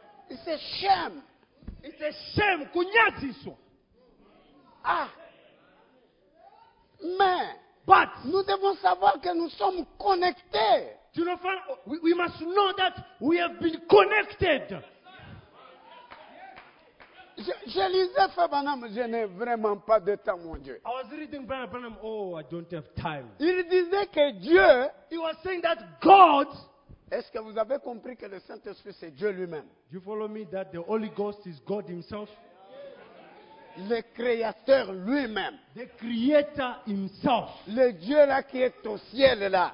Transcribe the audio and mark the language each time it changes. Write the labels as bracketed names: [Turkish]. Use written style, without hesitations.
[English] It's a shame. It's a shame. Kunyatiso. [French] Ah. Mais. [English] But. [French] Nous devons savoir que nous sommes connectés. [English] Do you know, we must know that we have been connected. [French] Je lisais Frère Branham, je n'ai vraiment pas de temps, mon Dieu. [English] I was reading Frère Branham, oh, I don't have time. [French] Il disait que Dieu, [English] he was saying that God, [French] est-ce que vous avez compris que le Saint-Esprit, c'est Dieu lui-même? [English] Do you follow me, that the Holy Ghost is God himself? [French] Le Créateur lui-même. [English] The Creator himself. [French] Le Dieu là qui est au ciel là.